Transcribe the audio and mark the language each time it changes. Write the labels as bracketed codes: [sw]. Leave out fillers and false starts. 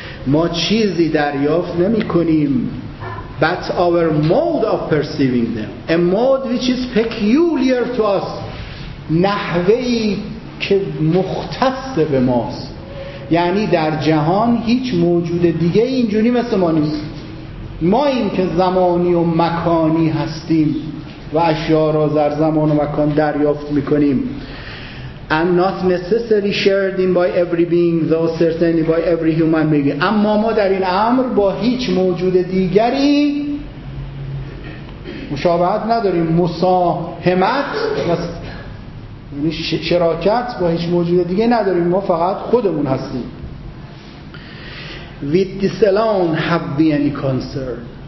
[fa] ما چیزی دریافت نمی کنیم [en] but our mode of perceiving them, a mode which is peculiar to us، [fa] نحوهی که مختص به ماست. یعنی در جهان هیچ موجود دیگه اینجوری مثل ما نیست، ما این که زمانی و مکانی هستیم و اشیاء را در زمان و مکان دریافت میکنیم. [en] And not necessarily shared in by every being though certainly by every human being. [fa] اما ما در این امر با هیچ موجود دیگری مشابهت نداریم، مساهمت و یعنی شراکت با هیچ موجود دیگه نداریم، ما فقط خودمون هستیم. [en] with this alone have we any concern.